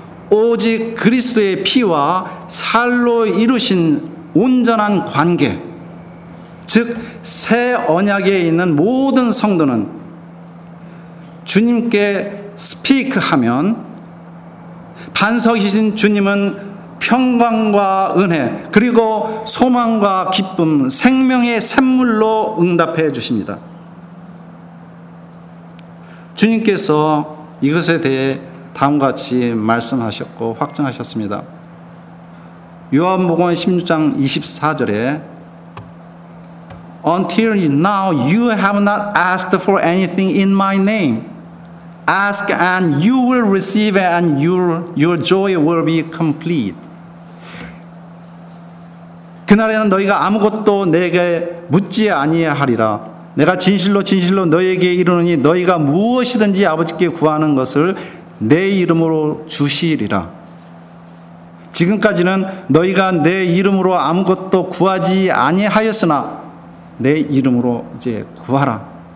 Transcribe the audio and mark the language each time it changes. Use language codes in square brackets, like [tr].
[ko] 오직 그리스도의 피와 살로 이루신 온전한 관계, 즉 새 언약에 있는 모든 성도는 주님께 스피크하면 반석이신 주님은 평강과 은혜, 그리고 소망과 기쁨, 생명의 샘물로 응답해 주십니다. 주님께서 이것에 대해 다음과 같이 말씀하셨고 확증하셨습니다. 요한복음 16장 24절에 [en] Until now you have not asked for anything in my name. Ask and you will receive and your joy will be complete. [ko] 그날에는 너희가 아무것도 내게 묻지 아니하리라. 내가 진실로 진실로 너희에게 이르노니 너희가 무엇이든지 아버지께 구하는 것을 내 이름으로 주시리라. 지금까지는 너희가 내 이름으로 아무것도 구하지 아니하였으나 내 이름으로 이제 구하라.